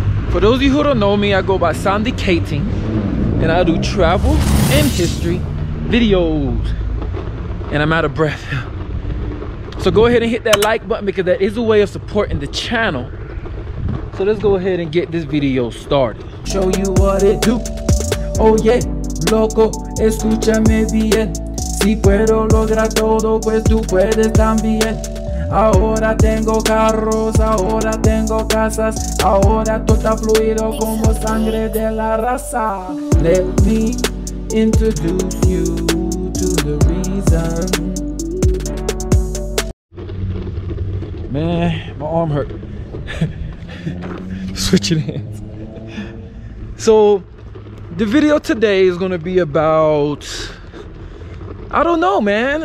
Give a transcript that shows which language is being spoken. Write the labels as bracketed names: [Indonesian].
[English] For those of you who don't know me, I go by Samdicating, and I do travel and history videos. And I'm out of breath. So go ahead and hit that like button, because that is a way of supporting the channel. So let's go ahead and get this video started. Show you what it do. Oh yeah, [Spanish] loco, escúchame bien. Si puedo lograr todo, pues tú puedes también. Ahora tengo carros, ahora tengo casas. Ahora todo está fluido como sangre de la raza. [English] Let me introduce you to the reason. Man, my arm hurt. Switching hands. So, the video today is going to be about... I don't know, man.